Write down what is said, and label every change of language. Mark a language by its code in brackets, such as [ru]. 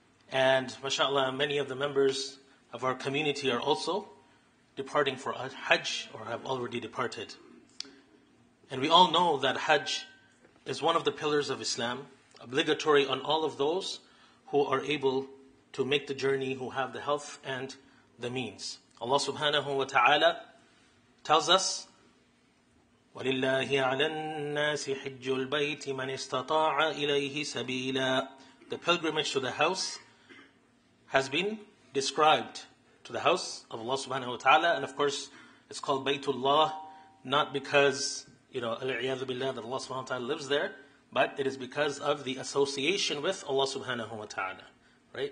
[en] And mashallah, many of the members of our community are also departing for Hajj or have already departed. And we all know that Hajj is one of the pillars of Islam, obligatory on all of those who are able to make the journey, who have the health and the means. Allah subhanahu wa ta'ala tells us, [ar] وَلِلَّهِ عَلَى النَّاسِ حِجُّ الْبَيْتِ مَنِ اسْتَطَاعَ إِلَيْهِ سَبِيلًا. [en] The pilgrimage to the house has been described to the house of Allah subhanahu wa ta'ala. And of course, it's called Baytullah, not because, you know, al-iyadu billah, that Allah subhanahu wa ta'ala lives there, but it is because of the association with Allah subhanahu wa ta'ala. Right?